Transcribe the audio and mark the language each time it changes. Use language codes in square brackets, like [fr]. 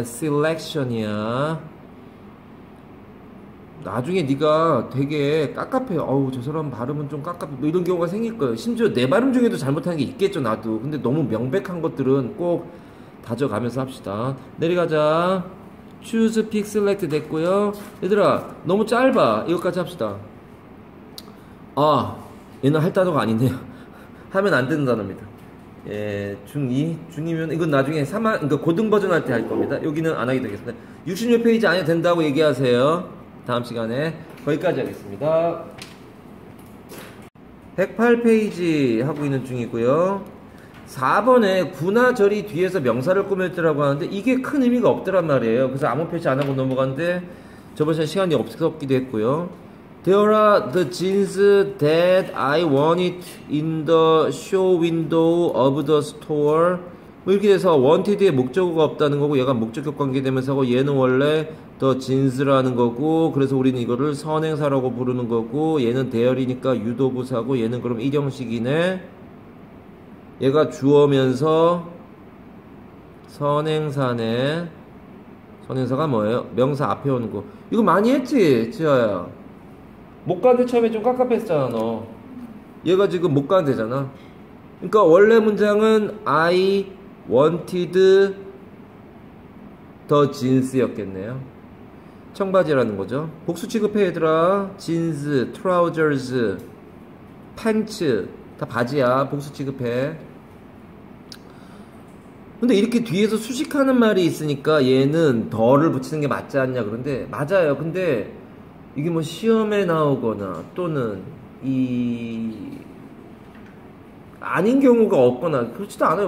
[ko] selection이야. 나중에 네가 되게 깝깝해. 어우 저 사람 발음은 좀 깝깝해. 뭐 이런 경우가 생길 거예요. 심지어 내 발음 중에도 잘못한 게 있겠죠 나도. 근데 너무 명백한 것들은 꼭 다져가면서 합시다. 내려가자. [en] choose, pick, select [ko] 됐고요. 얘들아 너무 짧아. 이것까지 합시다. 아 얘는 할 단어가 아니네요. 하면 안 되는 단어입니다. 예, 중2? 중2면 이건 나중에 3학, 그러니까 고등 버전 할 때 할 겁니다. 여기는 안 하게 되겠습니다. 66페이지 안 해도 된다고 얘기하세요. 다음 시간에 거기까지 하겠습니다. 108페이지 하고 있는 중이고요. 4번에 구나절이 뒤에서 명사를 꾸몄더라고 하는데 이게 큰 의미가 없더란 말이에요. 그래서 아무 표시 안 하고 넘어갔는데 저번 시간에 시간이 없었기도 했고요. [en] There are the jeans that I wanted in the show window of the store. [ko] 뭐 이렇게 돼서 wanted의 목적어가 없다는 거고 얘가 목적격 관계되면서 하고 얘는 원래 the jeans라는 거고 그래서 우리는 이거를 선행사라고 부르는 거고 얘는 대열이니까 유도부사고 얘는 그럼 일형식이네. 얘가 주어면서 선행사네. 선행사가 뭐예요? 명사 앞에 오는 거. 이거 많이 했지 지아야? 못 간대 처음에 좀 깝깝했잖아 너. 얘가 지금 못 간대잖아. 그러니까 원래 문장은 [en] I wanted the jeans [ko] 였겠네요. 청바지라는 거죠. 복수 취급해 얘들아. [en] jeans, trousers, pants [ko] 다 바지야. 복수 취급해. 근데 이렇게 뒤에서 수식하는 말이 있으니까 얘는 더를 붙이는 게 맞지 않냐. 그런데 맞아요. 근데 이게 뭐 시험에 나오거나 또는 이 아닌 경우가 없거나 그렇지도 않아요.